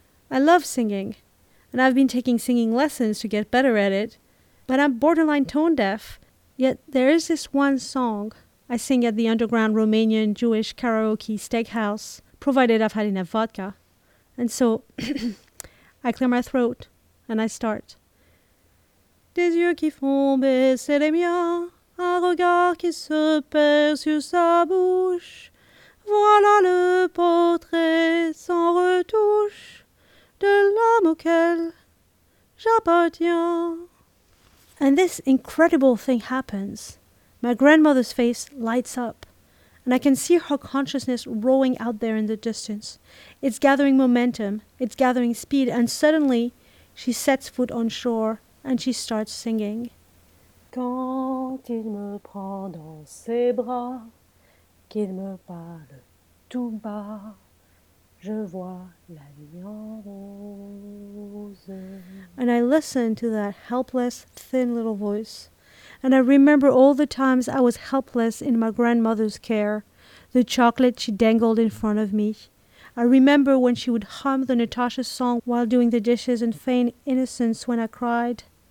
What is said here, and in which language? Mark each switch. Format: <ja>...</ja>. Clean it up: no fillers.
<en>I love singing, and I've been taking singing lessons to get better at it, but I'm borderline tone deaf. Yet there is this one song I sing at the underground Romanian Jewish karaoke steakhouse, provided I've had enough vodka. And so I clear my throat, and I start.</en> <fr>Des yeux qui font baisser les miens, un regard qui se perd sur sa bouche. Voilà le portrait sans retouche de l'homme auquel j'appartiens.</fr> <en>And this incredible thing happens. My grandmother's face lights up, and I can see her consciousness rowing out there in the distance. It's gathering momentum, it's gathering speed, and suddenly she sets foot on shore and she starts singing.</en> <fr>Quand il me prend dans ses bras, qu'il me parle tout bas, je vois la vie en rose.</fr> <en>And I listen to that helpless, thin little voice. And I remember all the times I was helpless in my grandmother's care, the chocolate she dangled in front of me. I remember when she would hum the Natasha song while doing the dishes and feign innocence when I cried.</en>